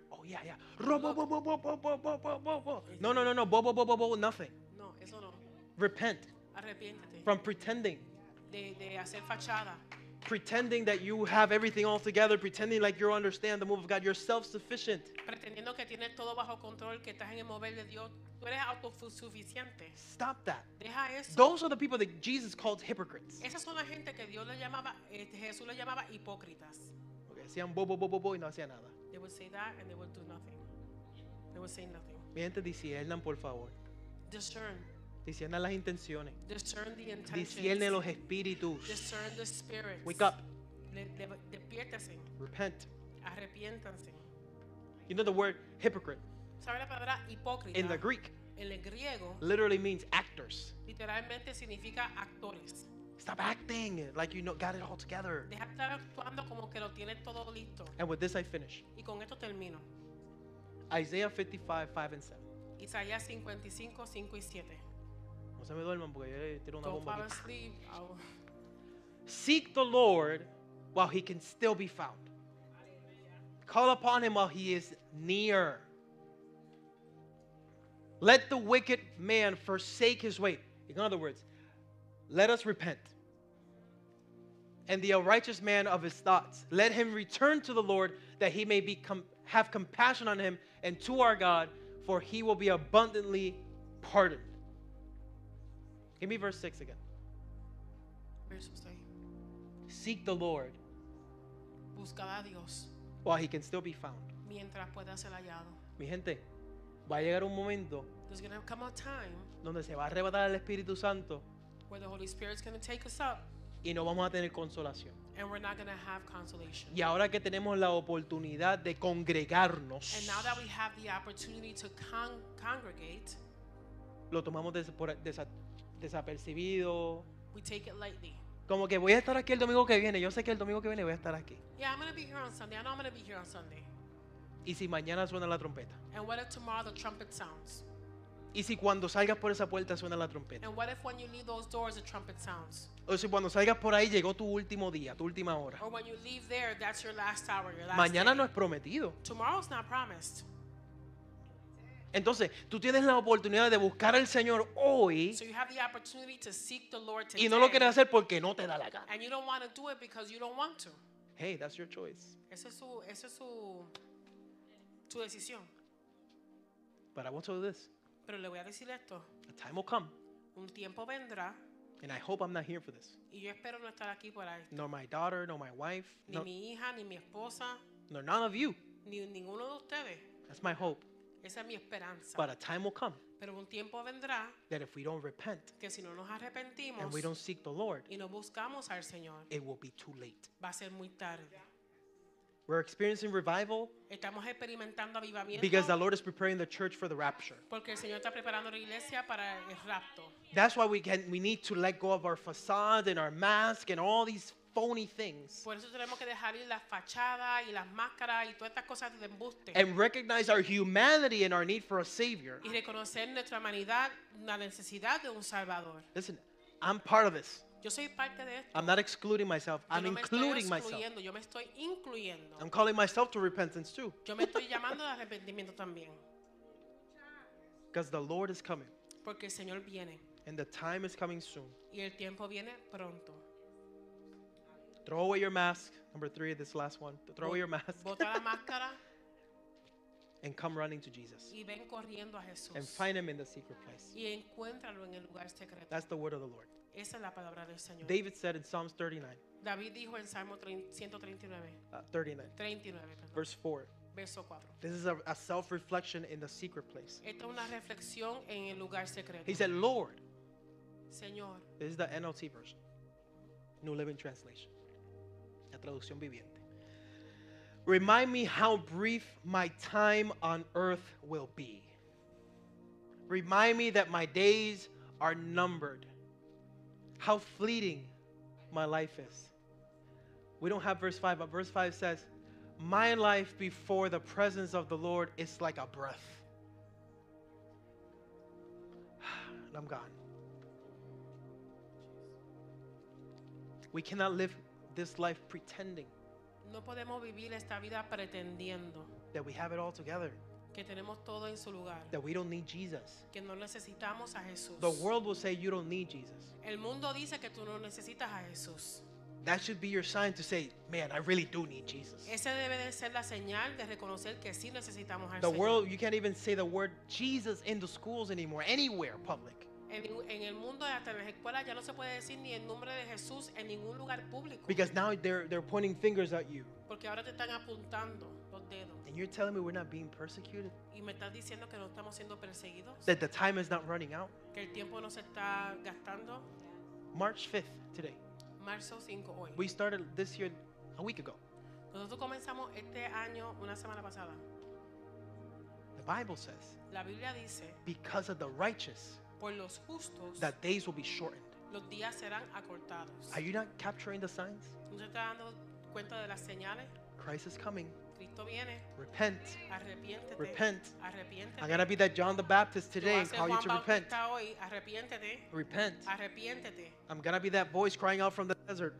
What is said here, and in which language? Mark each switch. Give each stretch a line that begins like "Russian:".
English: Oh, yeah, yeah. No. Nothing.
Spanish: No, eso no.
English: Repent.
Spanish: Arrepiéntete.
English: From pretending.
Spanish: De hacer fachada.
English: Pretending that you have everything all together, pretending like you understand the move of God, you're self-sufficient.
Spanish: Pretendiendo que tienes todo bajo control, que estás en el mover de Dios, tú eres autosuficiente.
English: Stop that.
Spanish: Deja eso.
English: Those are the people that Jesus called hypocrites.
Spanish: Esas son la gente que Dios le llamaba, Jesús le llamaba hipócritas. Okay, hacían bobo y no hacían nada.
English: They would say that and they would do nothing. They would say nothing.
Spanish: Mi gente, disciernan, por favor.
English: Discern. Discern
Spanish: las intenciones.
English: Discern the intentions.
Spanish: Discierne los espíritus.
English: Discern the spirits. Wake up.
Spanish: Despiértase.
English: Repent.
Spanish: Arrepiéntanse.
English: You know the word hypocrite.
Spanish: ¿Sabe la palabra hipócrita?
English: In the Greek.
Spanish: En el griego.
English: Literally means actors.
Spanish: Literalmente significa actores.
English: Stop acting like you know got it all together.
Spanish: Deja estar actuando como que lo tiene todo listo.
English: And with this I finish.
Spanish: Y con esto termino.
English: Isaiah 55, 5 and 7.
Spanish: Isaías 55, 5 y 7. No se me duerman porque yo le tiro una bomba.
English: Don't fall asleep. Seek the Lord while he can still be found. Call upon him while he is near. Let the wicked man forsake his way. In other words, let us repent. And the unrighteous man of his thoughts, let him return to the Lord that he may have compassion on him and to our God, for he will be abundantly pardoned. Give me verse 6 again. Verse 6. Seek the Lord.
Spanish: Buscad a Dios.
English: While he can still be found.
Spanish: Mientras pueda ser hallado. Mi gente, va a llegar un momento
English: There's going to come a time
Spanish: donde se va a arrebatar el Espíritu Santo,
English: where the Holy Spirit's going to take us up,
Spanish: y no vamos a tener consolación.
English: And we're not going to have consolation.
Spanish: Y ahora que tenemos la oportunidad de congregarnos,
English: and now that we have the opportunity to congregate,
Spanish: lo tomamos desapercibido.
English: We take it lightly.
Spanish: Como que voy a estar aquí el domingo que viene. Yo sé que el domingo que viene voy a estar aquí.
English: Yeah, I'm going to be here on Sunday. I know I'm going to be here on Sunday.
Spanish: Y si mañana suena la trompeta.
English: And what if tomorrow the trumpet sounds?
Spanish: Y si cuando salgas por esa puerta suena la trompeta.
English: And what if when you leave those doors the trumpet sounds?
Spanish: O si cuando salgas por ahí llegó tu último día, tu última hora.
English: Or when you leave there, that's your last hour, your last
Spanish: mañana
English: day.
Spanish: No es prometido.
English: Tomorrow's not promised.
Spanish: Entonces, tú tienes la oportunidad de buscar al Señor hoy.
English: So you have the opportunity to seek the Lord today.
Spanish: Y no lo quieres hacer porque no te da la gana.
English: And you don't want to do it because you don't want to. Hey, that's your choice.
Spanish: Esa es su decisión.
English: But I want to do this.
Spanish: Pero le voy a decir esto.
English: A time will come.
Spanish: Un tiempo vendrá.
English: And I hope I'm not here for this.
Spanish: Y yo espero no estar aquí para esto.
English: Nor my daughter, nor my wife.
Spanish: Ni mi hija, ni mi esposa.
English: Nor none of you.
Spanish: Ni ninguno de ustedes.
English: That's my hope.
Spanish: Esa es mi esperanza.
English: But a time will come.
Spanish: Pero un tiempo vendrá.
English: That if we don't repent.
Spanish: Que si no nos arrepentimos.
English: And we don't seek the Lord.
Spanish: Y no buscamos al Señor.
English: It will be too late.
Spanish: Va a ser muy tarde. Yeah.
English: We're experiencing revival because the Lord is preparing the church for the rapture.
Spanish: El Señor está preparando la iglesia para el rapto.
English: That's why we need to let go of our facade and our mask and all these phony things.
Spanish: Por eso tenemos que dejar ir la fachada y las máscaras y todas estas cosas de embuste.
English: And recognize our humanity and our need for a Savior.
Spanish: Y reconocer nuestra humanidad, la necesidad de un Salvador.
English: Listen, I'm part of this.
Spanish: Yo soy parte de esto.
English: I'm not excluding myself.
Spanish: Yo
English: I'm
Spanish: no
English: including
Spanish: estoy
English: myself.
Spanish: Yo me estoy incluyendo.
English: I'm calling myself to repentance too.
Spanish: Yo me estoy llamando al arrepentimiento también.
English: Because the Lord is coming.
Spanish: Porque el Señor viene.
English: And the time is coming soon.
Spanish: Y el tiempo viene pronto.
English: Throw away your mask. Number three, this last one. Throw away your mask.
Spanish: Bota la máscara.
English: And come running to Jesus.
Spanish: Y ven corriendo a Jesús.
English: And find him in the secret place.
Spanish: Y encuéntralo en el lugar secreto.
English: That's the word of the Lord.
Spanish: Esa es la palabra del Señor.
English: David said in Psalms 39.
Spanish: David dijo en Salmo 139. 39.
English: Verse 4.
Spanish: Verso 4.
English: This is a self-reflection in the secret place.
Spanish: Esta es una reflexión en el lugar secreto.
English: He said, Lord.
Spanish: Señor.
English: This is the NLT version. New Living Translation.
Spanish: La traducción viviente.
English: Remind me how brief my time on earth will be. Remind me that my days are numbered. How fleeting my life is. We don't have verse 5, but verse 5 says, my life before the presence of the Lord is like a breath. And I'm gone. We cannot live this life pretending.
Spanish: No podemos vivir esta vida pretendiendo
English: that we have it all together.
Spanish: Que tenemos todo en su lugar.
English: That we don't need Jesus.
Spanish: Que no necesitamos a Jesús.
English: The world will say you don't need Jesus.
Spanish: El mundo dice que tú no necesitas a Jesús.
English: That should be your sign to say, man, I really do need Jesus.
Spanish: Ese debe de ser la señal de reconocer que sí necesitamos al
English: the
Spanish: Señor.
English: World, you can't even say the word Jesus in the schools anymore, anywhere public.
Spanish: En el mundo hasta en las escuelas ya no se puede decir ni el nombre de Jesús en ningún lugar público.
English: Because now they're pointing fingers at you.
Spanish: Porque ahora te están apuntando los dedos.
English: And you're telling me we're not being persecuted?
Spanish: Y me estás diciendo que no estamos siendo perseguidos?
English: That the time is not running out?
Spanish: Que el tiempo no se está gastando?
English: March 5th today.
Spanish: Marzo 5 hoy.
English: We started this year a week ago.
Spanish: Nosotros comenzamos este año una semana pasada.
English: The Bible says.
Spanish: La Biblia dice.
English: Because of the righteous.
Spanish: Por los justos,
English: that days will be shortened.
Spanish: Los días serán acortados.
English: Are you not capturing the signs?
Spanish: ¿No te estás dando cuenta de las señales?
English: Christ is coming.
Spanish: Cristo viene.
English: Repent.
Spanish: Arrepiéntete.
English: Repent.
Spanish: Arrepiéntete.
English: I'm going to be that John the Baptist today and call
Spanish: Juan
English: you to
Spanish: Bautista
English: repent.
Spanish: Hoy. Arrepiéntete.
English: Repent.
Spanish: Arrepiéntete.
English: I'm going to be that voice crying out from the desert.